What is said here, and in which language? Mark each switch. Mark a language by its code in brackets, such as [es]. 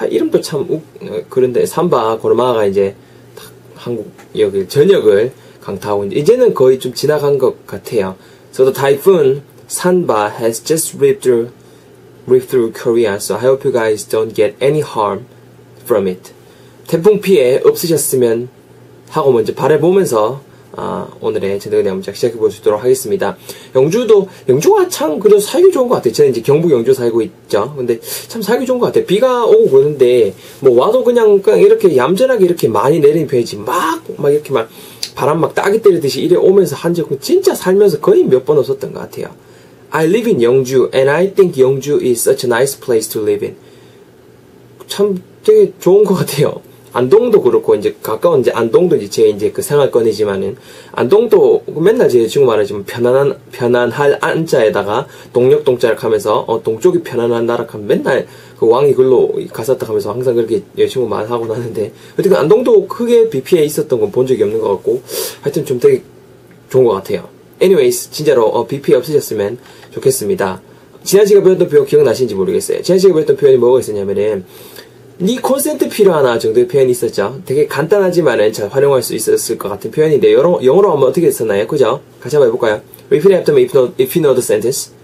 [ko] 이름도 참 그런데 삼바 고르마가 이제 한국 여기 전역을 강타하고 이제는 거의 좀 지나간 것 같아요. [en] So the typhoon Sanba has just ripped through Korea. So I hope you guys don't get any harm from it. [ko] 태풍 피해 없으셨으면 하고 먼저 바라보면서 오늘의 전대건의 문장 시작해 보도록 하겠습니다. 영주가 참 그래도 살기 좋은 것 같아요. 저는 이제 경북 영주 살고 있죠. 근데 참 살기 좋은 것 같아요. 비가 오고 그러는데 뭐 와도 그냥 이렇게 얌전하게 이렇게 많이 내리는 편이지 막 이렇게 막 바람 막 따기 때리듯이 이래 오면서 한 적은 진짜 살면서 거의 몇 번 없었던 것 같아요. [en] I live in 영주 and I think 영주 is such a nice place to live in. [ko] 참 되게 좋은 것 같아요. 안동도 그렇고 이제 가까운 이제 안동도 이제 제 이제 그 생활권이지만은 안동도 맨날 제 친구 말하지만 편안할 안자에다가 동력 동자를 하면서 동쪽이 편안한 나라 하면 맨날 그 왕이 글로 가사타 하면서 항상 그렇게 제 친구 말하고 나는데 어쨌든 안동도 크게 비 피해 있었던 건 본 적이 없는 것 같고 하여튼 좀 되게 좋은 것 같아요. Anyways 진짜로 비 피해 없으셨으면 좋겠습니다. 지난 시간에 배웠던 표현 기억나시는지 모르겠어요. 지난 시간에 배웠던 표현이 뭐가 있었냐면은 니 콘센트 필요하나 정도의 표현이 있었죠. 되게 간단하지만은 잘 활용할 수 있었을 것 같은 표현인데 영어로 하면 어떻게 썼나요? 그죠? 같이 한번 해볼까요? [en] Repeat after me if you know the sentence.